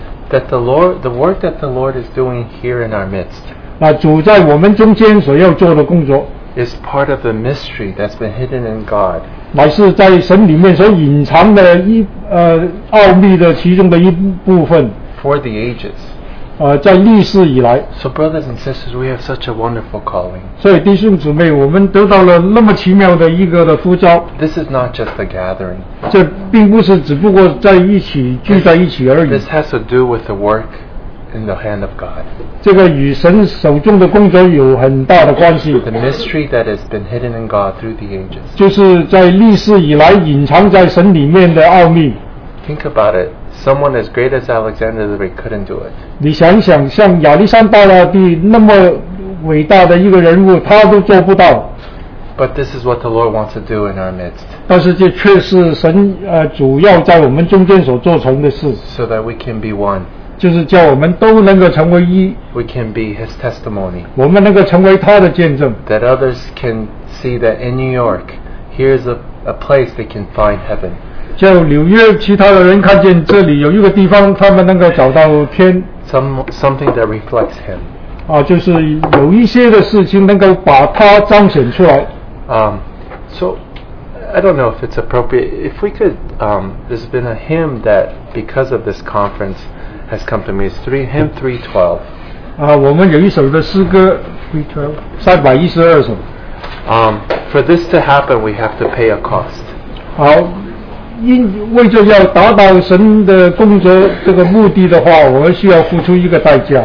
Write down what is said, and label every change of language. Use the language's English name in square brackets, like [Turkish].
[English] that the work that the Lord is doing here in our midst [Chinese] 那主在我们中间所要做的工作 [English] is part of the mystery that's been hidden in God [Chinese] 乃是在神里面所隐藏的奥秘的其中的一部分 [English] for the ages [Chinese] 在历世以来 [English] So brothers and sisters, we have such a wonderful calling. [Chinese] 所以弟兄姊妹我们得到了那么奇妙的一个的呼召 [English] This is not just a gathering. [Chinese] 这并不是只不过在一起聚在一起而已 [English] This has to do with the work in the hand of God. [Chinese] 这个与神手中的工作有很大的关系 [English] The mystery that has been hidden in God through the ages. [Chinese] 就是在历世以来隐藏在神里面的奥秘 [English] Think about it. Someone as great as Alexander the Great couldn't do it. [Chinese] 你想一想，像亚历山大大帝那么伟大的一个人物，他都做不到。 [English] But this is what the Lord wants to do in our midst. [Chinese] 但是这却是神主要在我们中间所做成的事。 [English] So that we can be one. [Chinese] 就是叫我们都能够成为一。 [English] We can be His testimony. [Chinese] 我们能够成为他的见证。 [English] That others can see that in New York, here's a place they can find heaven. [Chinese] 叫纽约其他的人看见这里有一个地方他们能够找到天 [English] something that reflects him [Chinese] 就是有一些的事情能够把它彰显出来 [English] So I don't know if it's appropriate if we could there's been a hymn that because of this conference has come to me it's three, hymn 312 [Chinese] 我们有一首的诗歌312首 [English] For this to happen we have to pay a cost [Chinese] 好为着要达到神的工作这个目的的话我们需要付出一个代价